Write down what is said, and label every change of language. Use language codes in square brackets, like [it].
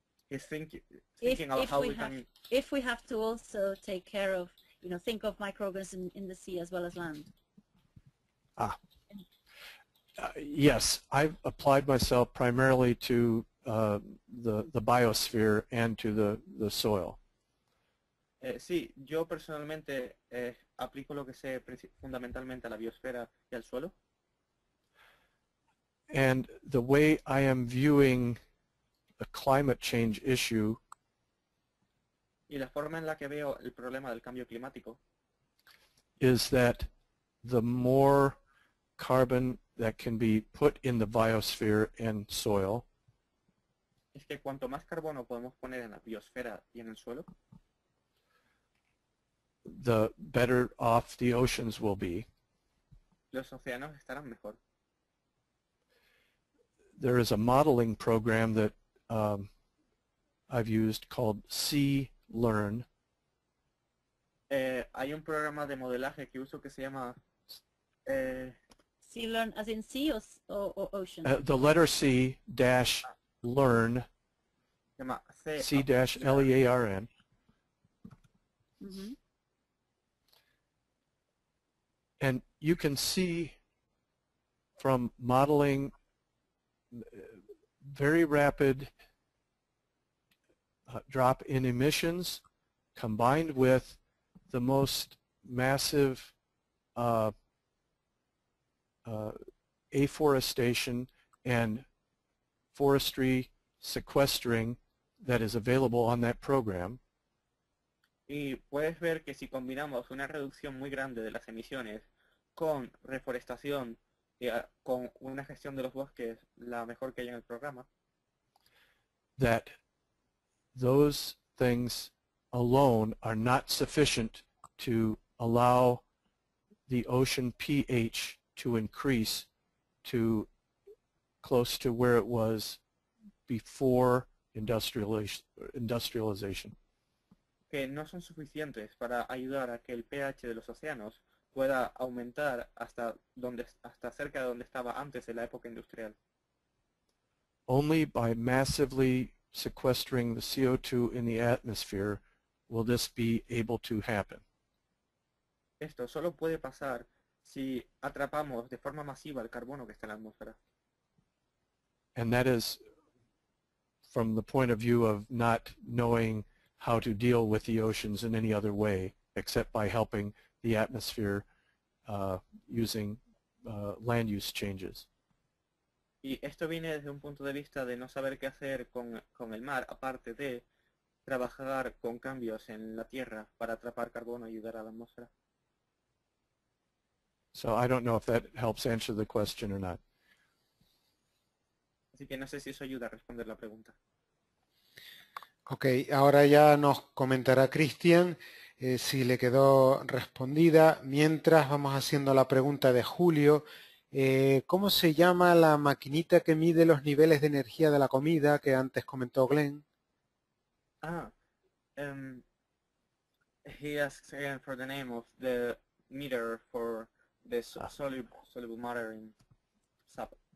[en] If we have to also take care of, you know, think of microorganisms in the sea as well as land. Yes, I've applied myself primarily to the biosphere and to the soil. [es] Sí, yo personalmente aplico lo que sé fundamentalmente a la biosfera y al suelo. [en] And the way I am viewing the climate change issue. [es] Y la forma en la que veo el problema del cambio climático. [en] Is that the more carbon that can be put in the biosphere and soil. [es] Es que cuanto más carbono podemos poner en la biosfera y en el suelo. [en] The better off the oceans will be. [es] Los océanos estarán mejor. [en] There is a modeling program that I've used called Sea Learn. [es] Hay un programa de modelaje que uso que se llama [en] Sea Learn, as in sea or ocean. The letter C dash learn. [es] Llama [en] C dash L E A R N. Mm-hmm. And you can see from modeling very rapid drop in emissions combined with the most massive afforestation and forestry sequestering that is available on that program. [es] Y puedes ver que si combinamos una reducción muy grande de las emisiones con reforestación y con una gestión de los bosques la mejor que hay en el programa, [en] that those things alone are not sufficient to allow the ocean pH to increase to close to where it was before industrialization. [es] Que no son suficientes para ayudar a que el pH de los océanos pueda aumentar hasta donde hasta cerca de donde estaba antes en la época industrial. [en] Only by massively sequestering the CO2 in the atmosphere will this be able to happen. [es] Esto solo puede pasar si atrapamos de forma masiva el carbono que está en la atmósfera. [en] And that is from the point of view of not knowing how to deal with the oceans in any other way except by helping the atmosphere using land use changes. [es] Y esto viene desde un punto de vista de no saber qué hacer con el mar aparte de trabajar con cambios en la tierra para atrapar carbono y ayudar a la atmósfera. [en] So I don't know if that helps answer the question or not. [es] Así que no sé si eso ayuda a responder la pregunta. Ok, ahora ya nos comentará Cristian si le quedó respondida. Mientras vamos haciendo la pregunta de Julio, ¿cómo se llama la maquinita que mide los niveles de energía de la comida que antes comentó Glenn? [en] Ah, he asks again for the name of the meter for the soluble matter in SAP.